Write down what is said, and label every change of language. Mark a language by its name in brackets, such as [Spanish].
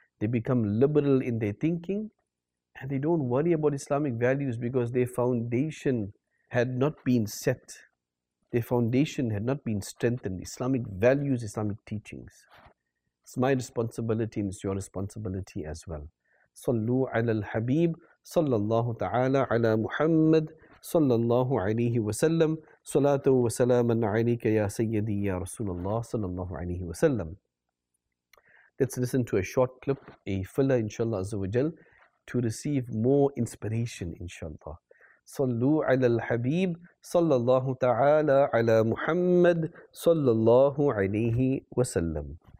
[English] They become liberal in their thinking and they don't worry about Islamic values because their foundation had not been set. Their foundation had not been strengthened. Islamic values, Islamic teachings. It's my responsibility and it's your responsibility as well. [Arabic] Sallu ala al-Habib, sallallahu ta'ala ala Muhammad, صلى الله عليه وسلم صلاة وسلاما عليك يا سيدي يا رسول الله صلى الله عليه وسلم. [English] Let's listen to a short clip, a filler inshallah azza wa jal, to receive more inspiration inshallah. [Arabic] صلوا على الحبيب صلى الله تعالى على محمد صلى الله عليه وسلم.